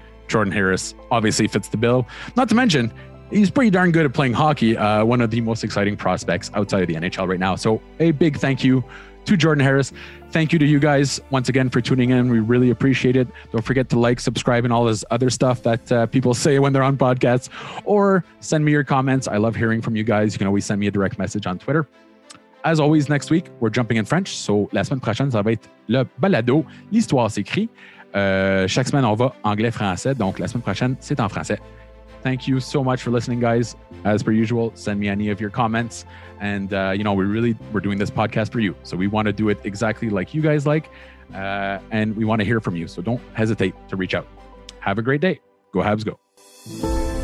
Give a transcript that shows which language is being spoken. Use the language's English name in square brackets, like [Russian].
[English] Jordan Harris obviously fits the bill. Not to mention, he's pretty darn good at playing hockey, one of the most exciting prospects outside of the NHL right now. So a big thank you to Jordan Harris. Thank you to you guys once again for tuning in. We really appreciate it. Don't forget to like, subscribe, and all this other stuff that people say when they're on podcasts, or send me your comments. I love hearing from you guys. You can always send me a direct message on Twitter. As always, next week, we're jumping in French. [French] So la semaine prochaine, ça va être le balado, l'histoire s'écrit. Chaque semaine, on va anglais-français. Donc la semaine prochaine, c'est en français. [English] Thank you so much for listening, guys. As per usual, send me any of your comments. And, you know, we're doing this podcast for you. So we want to do it exactly like you guys like. And we want to hear from you. So don't hesitate to reach out. Have a great day. Go Habs, go.